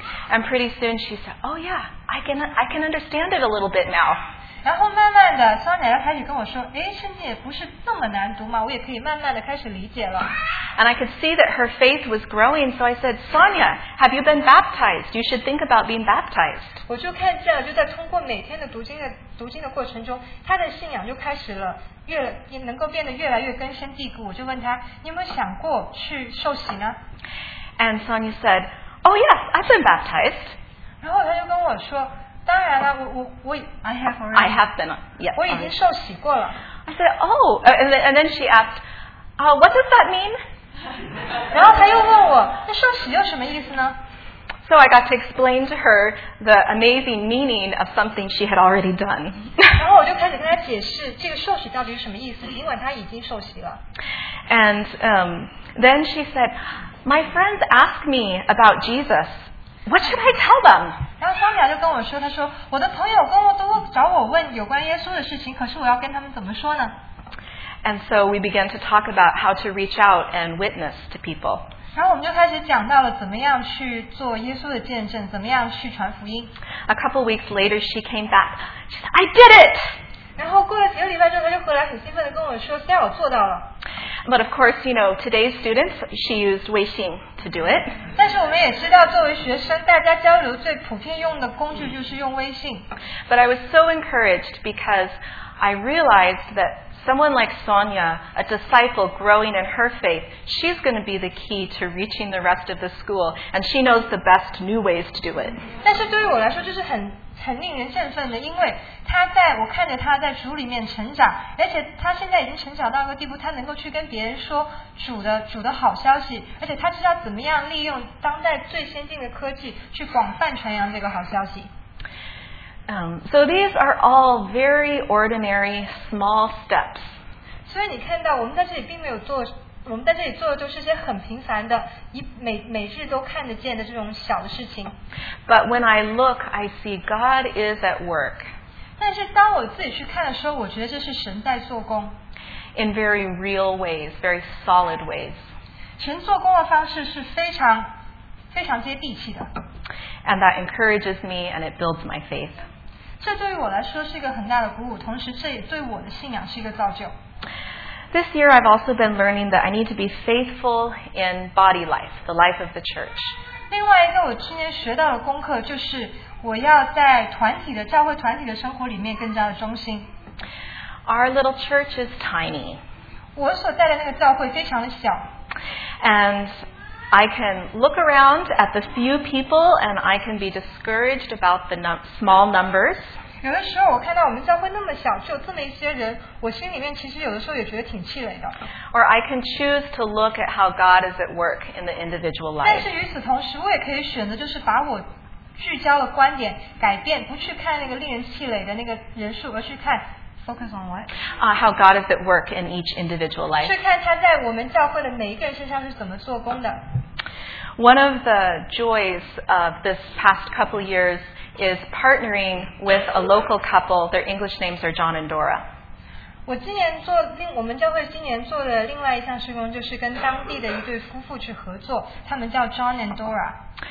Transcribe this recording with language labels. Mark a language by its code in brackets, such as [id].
[en] And pretty soon she said, "Oh yeah, I can understand it a little bit now." [zh] 然后慢慢的，桑尼亚开始跟我说，哎，圣经也不是那么难读嘛，我也可以慢慢的开始理解了。 [en] And I could see that her faith was growing, so I said, "Sonia, have you been baptized? You should think about being baptized." [zh] 我就看见了，就在通过每天的读经的过程中，她的信仰就开始了，也能够变得越来越根深蒂固。我就问她，你有没有想过去受洗呢？ [en] And Sonia said, "Oh yes, I've been baptized." [zh] 然后她就跟我说，当然了，我 [en] I have already. I have been, yes. [zh] 我已经受洗过了。 [en] I said, "Oh," and then she asked,what does that mean?" [zh] 然后他又问我，那受洗又什么意思呢？ [en] So I got to explain to her the amazing meaning of something she had already done. [zh] 然后我就开始跟他解释这个受洗到底是什么意思，尽管他已经受洗了。 [en] And then she said, "My friends ask me about Jesus. What should I tell them?" [zh] 然后桑尼亚就跟我说，他说我的朋友都找我问有关耶稣的事情，可是我要跟他们怎么说呢？ [en] And so we began to talk about how to reach out and witness to people. [zh] 然后我们就开始讲到了怎么样去做耶稣的见证，怎么样去传福音。 [en] A couple weeks later, she came back. She said, "I did it." [zh] 然后过了几个礼拜之后，她就回来很兴奋地跟我说，现在我做到了。 [en] But of course, you know, today's students, she used Weixin to do it. [zh] 但是我们也知道，作为学生，大家交流最普遍用的工具就是用微信。 [en] But I was so encouraged because I realized that someone like Sonia, a disciple growing in her faith, she's going to be the key to reaching the rest of the school, and she knows the best new ways to do it. [zh] 但是对于我来说，就是很令人振奋的，因为我看着她在主里面成长，而且她现在已经成长到一个地步，她能够去跟别人说主的好消息，而且她知道怎么样利用当代最先进的科技去广泛传扬这个好消息。 [en] So these are all very ordinary, small steps. [zh] 所以你看到我们在这里并没有做，我们在这里做的都是些很平凡的，每日都看得见的这种小的事情。 [en] But when I look, I see God is at work. [zh] 但是当我自己去看的时候，我觉得这是神在做工。 [en] In very real ways, very solid ways. [zh] 神做工的方式是非常非常接地气的。 [en] And that encourages me and it builds my faith. [zh] 这对于我来说是一个很大的鼓舞，同时这也对我的信仰是一个造就。 [en] This year I've also been learning that I need to be faithful in body life, the life of the church. [zh] 另外一个我去年学到的功课就是我要在教会团体的生活里面更加的忠心。 [en] Our little church is tiny. [zh] 我所在的那个教会非常的小。 [en] And I can look around at the few people and I can be discouraged about the small numbers. [zh] 有的时候我看到我们教会那么小，就这么一些人，我心里面其实有的时候也觉得挺气馁的。 [en] Or I can choose to look at how God is at work in the individual life. [zh] 但是与此同时，我也可以选择就是把我聚焦的观点改变，不去看那个令人气馁的那个人数，而去看。 [en] Focus on what? How God is at work in each individual life. [zh] 是看他在我们教会的每一个人身上是怎么做工的。 [en] One of the joys of this past couple years is partnering with a local couple. Their English names are John and Dora. [zh] 我今年做另我们教会今年做的另外一项事工就是跟当地的一对夫妇去合作，他们叫 John and Dora.